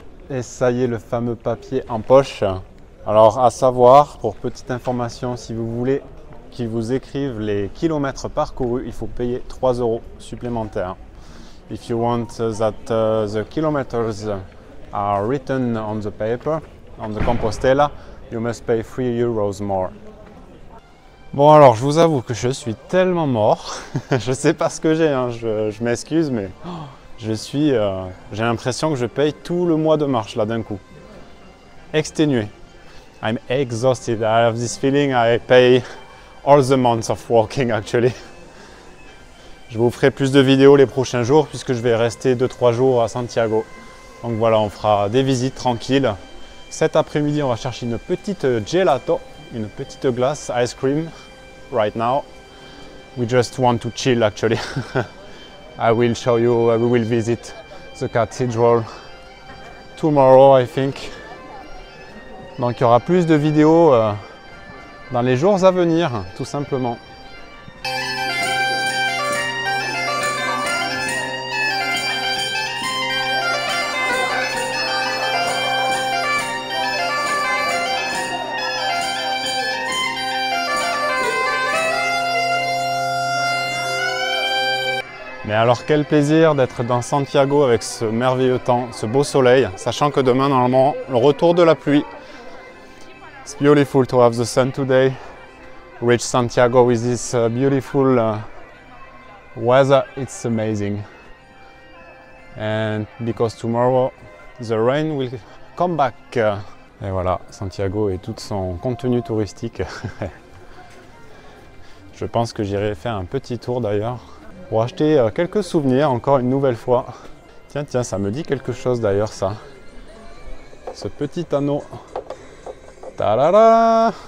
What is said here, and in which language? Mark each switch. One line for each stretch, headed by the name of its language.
French: Et ça y est, le fameux papier en poche. Alors, à savoir, pour petite information, si vous voulez qu'ils vous écrivent les kilomètres parcourus, il faut payer 3 euros supplémentaires.
English: If you want that the kilometers are written on the paper, on the Compostela, you must pay 3 euros more.
French: Bon, alors je vous avoue que je suis tellement mort. Je sais pas ce que j'ai, hein. Je m'excuse, mais j'ai l'impression que je paye tout le mois de marche là d'un coup. Exténué.
English: I'm exhausted. I have this feeling I pay all the months of walking actually.
French: Je vous ferai plus de vidéos les prochains jours puisque je vais rester 2-3 jours à Santiago. Donc voilà, on fera des visites tranquilles. Cet après-midi, on va chercher une petite gelato, une petite glace,
English: ice cream, right now. We just want to chill, actually. I will show you, we will visit the cathedral tomorrow, I think.
French: Donc, il y aura plus de vidéos dans les jours à venir, tout simplement. Mais alors, quel plaisir d'être dans Santiago avec ce merveilleux temps, ce beau soleil, sachant que demain, normalement, le retour de la pluie.
English: It's beautiful to have the sun today. Reach Santiago with this beautiful weather. It's amazing. And because tomorrow, the rain will come back.
French: Et voilà, Santiago et tout son contenu touristique. Je pense que j'irai faire un petit tour d'ailleurs. Pour acheter quelques souvenirs, encore une nouvelle fois. Tiens, ça me dit quelque chose d'ailleurs, ça. Ce petit anneau. Ta-da-da!